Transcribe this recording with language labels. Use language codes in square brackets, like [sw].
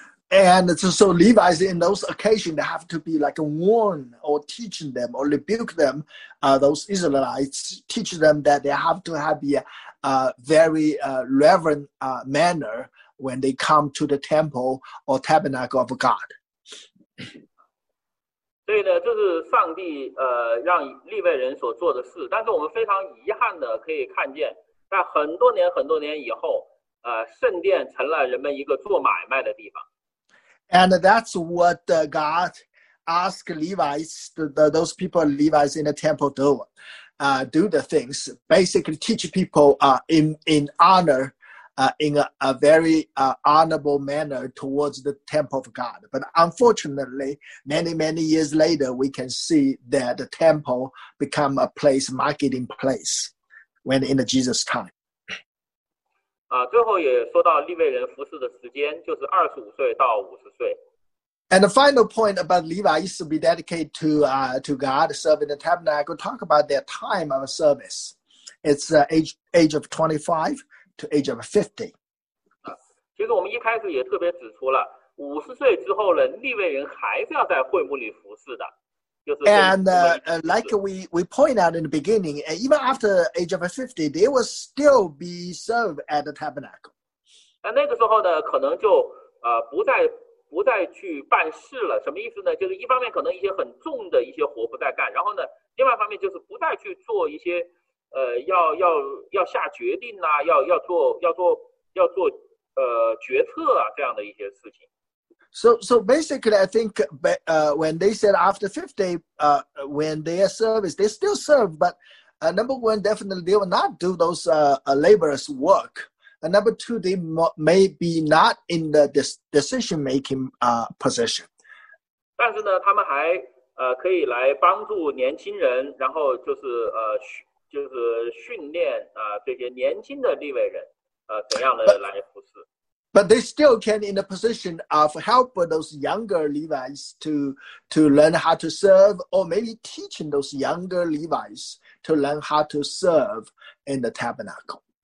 [en] And so Levites in those occasions have to be like warn or teaching them or rebuke them, those Israelites, teach them that they have to have a very reverent manner when they come to the temple or tabernacle of God. [zh] 所以呢，这是上帝让利未人所做的事，但是我们非常遗憾的可以看见在很多年很多年以后，圣殿成了人们一个做买卖的地方。 [en] And that's what God asked Levites, those people Levites in the temple do the things, basically teach people in honor, in a very honorable manner towards the temple of God. But unfortunately, many, many years later, we can see that the temple become a place, marketing place. When in the Jesus time. [zh] 最后也说到利未人服事的时间，就是25岁到50岁。 [en] And the final point about Levites to be dedicated to God, serving the tabernacle, talk about their time of service. It's age of 25 to age of 50. [zh] 其实我们一开始也特别指出了，五十岁之后呢，利未人还是要在会幕里服事的。 [en] And like we point out in the beginning, even after the age of 50, they will still be served at the tabernacle. [zh] 那那个时候呢，可能就不再去办事了。什么意思呢？就是一方面可能一些很重的一些活不再干，然后呢，另外一方面就是不再去做一些要下决定呐、啊，要做决策啊这样的一些事情。 [en] So basically, I think when they said after 50, when they are service, they still serve, but number one, definitely they will not do those laborious work. And number two, they may be not in the decision-making position. [zh] 但是呢，他们还可以来帮助年轻人，然后就是就是训练这些年轻的利未人怎样的来服事。 [en] But they still can in a position of help those younger Levites to learn how to serve, or maybe teaching those younger Levites to learn how to serve in the tabernacle.